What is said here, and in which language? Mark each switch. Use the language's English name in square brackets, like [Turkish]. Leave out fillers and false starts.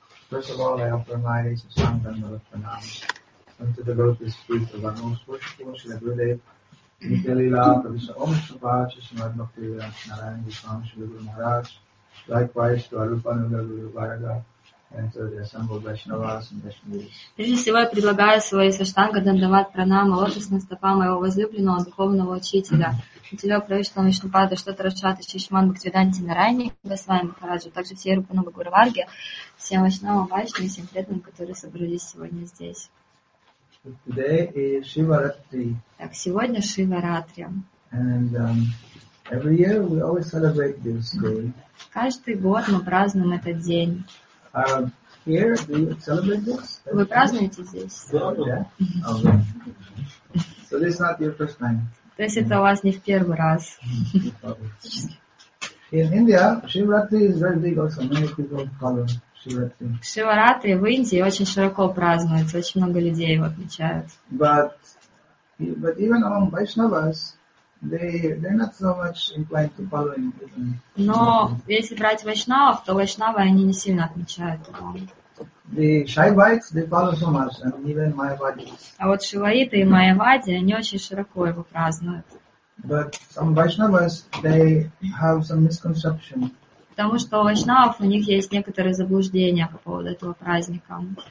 [English] First of all, I offer my Sasanga Nara Pranam unto the lotus feet of our most worshipful Shri Gurudev, Nityalila, Prabhisa Om Shapacha, Shimad Bhakti, Narayan, Vishwam, Shri Guru Maharaj, Likewise to Arupananda Guru Varaga and to the assembled Vaishnavas and Vaishnavis. [Russian] Прежде всего, я предлагаю свою саштанга дандавать пранама лотосным стопам моего возлюбленного духовного учителя, учителя Прабхишна Вишнупада, что-то расчаты, Шишман Бхактиданти Нарайни, Госвами Махараджу, также все Арупананда Гуру Варги, всем Вашнавам Вайшнам и всем преданным, которые собрались сегодня здесь. [English] Today is Shivaratri. [Russian] Так, сегодня Шиваратри. [English] And every year we always celebrate this day. [Russian] Каждый год мы празднуем этот день. [English] Here, do you celebrate this? [Russian] Вы празднуете здесь? [English] Yeah. Okay. So this is not your first time. [Russian] То есть это у вас не в первый раз. [English] In India, Shivaratri is very big also. Many people call it Shivaratri. [Russian] Шиваратри в Индии очень широко празднуется, очень много людей его отмечают. [English] But even among Vaishnavas, They're not so much inclined to following. [Russian] Но если брать вайшнавов, то вайшнавы они не сильно отмечают. [English] The Shaivites they follow so much, and even Mayavadis. [Russian] А вот шиваиты и майявади они очень широко его празднуют. [English] But some Vaishnavas they have some misconception. [Russian] Потому что у вайшнавов у них есть некоторые заблуждения по поводу этого праздника.